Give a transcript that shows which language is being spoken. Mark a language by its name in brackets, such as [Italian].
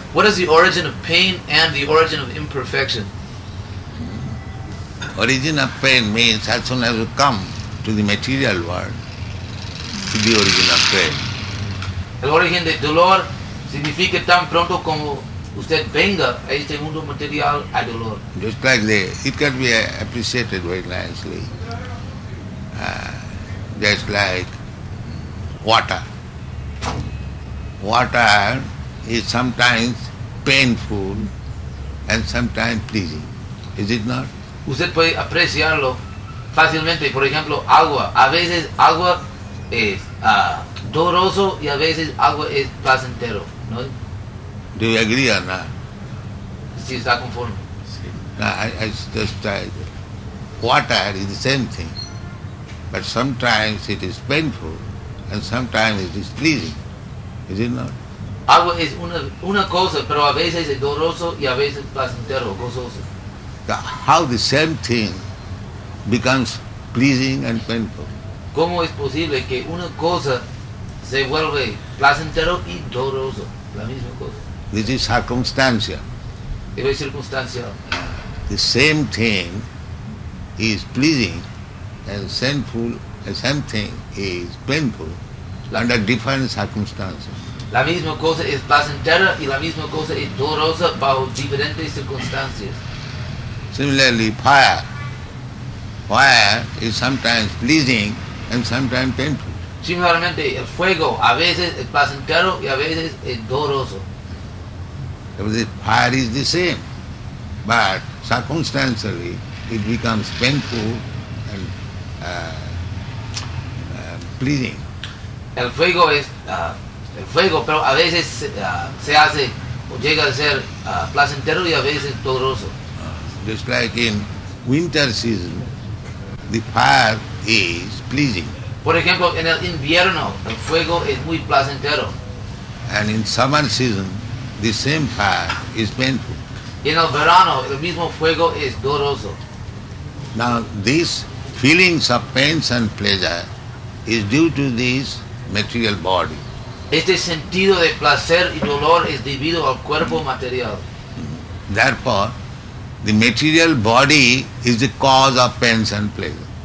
[English] What is the origin of pain and the origin of imperfection? Origin of pain means as soon as you come to the material world, to the origin of pain. [Spanish] El origen de dolor significa tan pronto como usted venga a este mundo material a dolor. [English] Just like that, it can be appreciated very nicely. Just like water. Water is sometimes painful and sometimes pleasing. Is it not? [Spanish] Usted puede apreciarlo fácilmente. Por ejemplo, agua. A veces agua es doloroso y a veces agua es placentero. ¿No? [English] Do you agree or not? [Spanish] Si está conforme. [English] I just water is the same thing, but sometimes it is painful and sometimes it is pleasing, is it not? [Spanish] Agua es una cosa, pero a veces es doloroso y a veces placentero, gozoso. [English] How the same thing becomes pleasing and painful? [Spanish] ¿Cómo es posible que una cosa se vuelve placentero y doloroso, la misma cosa? [English] This is circumstancia. [Spanish] Eso es circunstancia. [English] The same thing is pleasing and sinful, the same thing is painful under different circumstances. [Spanish] La misma cosa es placentera y la misma cosa es dolorosa bajo diferentes circunstancias. [English] Similarly, fire. Fire is sometimes pleasing and sometimes painful. [Spanish] Similarmente, el fuego a veces es placentero y a veces es doloroso. [English] Because fire is the same, but circumstantially, it becomes painful and pleasing. [Spanish] El fuego, pero a veces se hace o llega a ser placentero y a veces doloroso. [English] Just like in winter season, the fire is pleasing. [Spanish] Por ejemplo, en el invierno, el fuego es muy placentero. [English] And in summer season, the same fire is painful. [Spanish] Y en el verano, el mismo fuego es doloroso. [English] Now, these feelings of pains and pleasure is due to this material body. [Spanish] Este sentido de placer y dolor es debido al cuerpo material. [English] Therefore, the material body is the cause of pains and pleasure.